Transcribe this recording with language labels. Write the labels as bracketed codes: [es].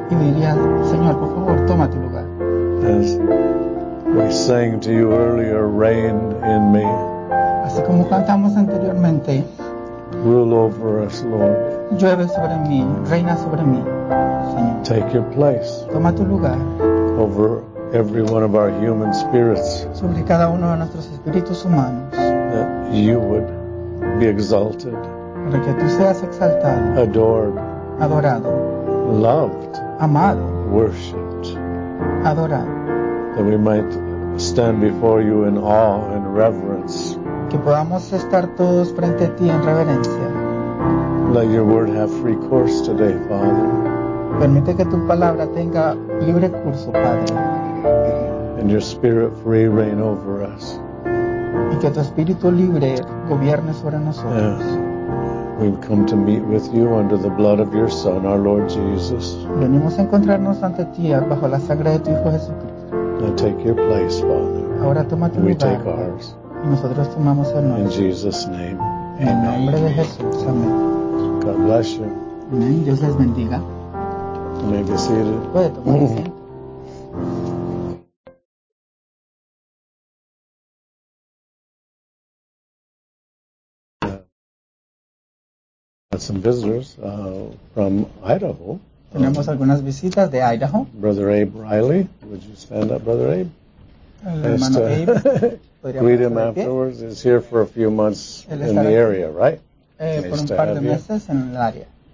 [es] Y diría, Señor, por favor, toma tu lugar. [en] As we sang to you earlier, reign in me. [es] Así como cantamos anteriormente. [en] Rule over us, Lord. [es] Llueve sobre mí, reina sobre mí, Señor. [en] Take your place. [es] Toma tu lugar. [en] Over every one of our human spirits. [es] Sobre cada uno de nuestros espíritus humanos. [en] That you would be exalted. [es] Para que tú seas exaltado. [en] Adored. [es] Adorado. [en] Loved. [es] Amado. [en] Worshipped. [es] Adorado. [en] That we might stand before you in awe and reverence. [es] Que podamos estar todos frente a ti en reverencia. [en] Let your word have free course today, Father. [es] Permite que tu palabra tenga libre curso, Padre. [en] And your spirit free reign over us. [es] Y que tu espíritu libre gobierne sobre nosotros. [en] Yes. We've come to meet with you under the blood of your Son, our Lord Jesus. [es] Venimos a encontrarnos ante ti bajo la sangre de tu Hijo Jesucristo. [en] Now take your place, Father. [es] Ahora toma tu lugar. [en] We take ours. [es] Y nosotros tomamos el nuestro. [en] In Jesus' name. [es] En el nombre de Jesús. Amén. [en] God bless you. [es] Amén. Dios les bendiga. [en] You may be seated. [es] Puede tomar asiento. [en] Some visitors from Idaho. [es] Tenemos algunas visitas de Idaho. [en] Brother Abe Riley, would you stand up, Brother Abe? [es] El hermano Abe. [en] Greet him afterwards. He's here for a few months in the area, right? [es] Nice por un par de meses en el área.